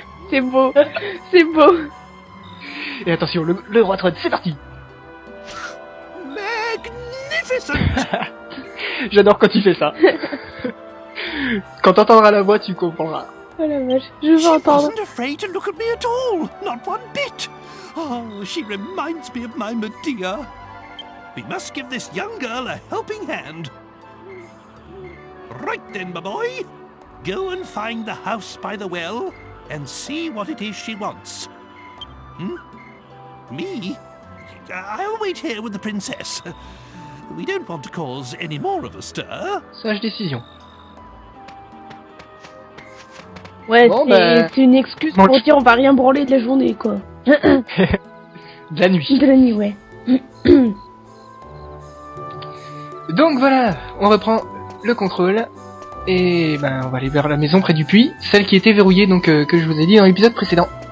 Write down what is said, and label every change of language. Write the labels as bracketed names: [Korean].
[French] C'est beau, c'est beau. Et attention, le roi trône, c'est parti. [English] Magnificent. [French] J'adore quand il fait ça. Quand t'entendras la voix, tu comprendras. Oh la vache, je veux entendre. [English] She wasn't afraid to look at me at all, not one bit. Oh, she reminds me of my Medea. We must give this young girl a helping hand. Right then, my boy. Go and find the house by the well and see what it is she wants. Hmm? Me? I'll wait here with the princess. We don't want to cause any more of a stir. [French] Sage décision. Ouais, bon, c'est une excuse bon, pour dire on va rien branler de la journée, quoi. De la nuit. De la nuit, ouais. Donc voilà, on reprend le contrôle et ben on va aller vers la maison près du puits, celle qui était verrouillée donc que je vous ai dit dans l'épisode précédent.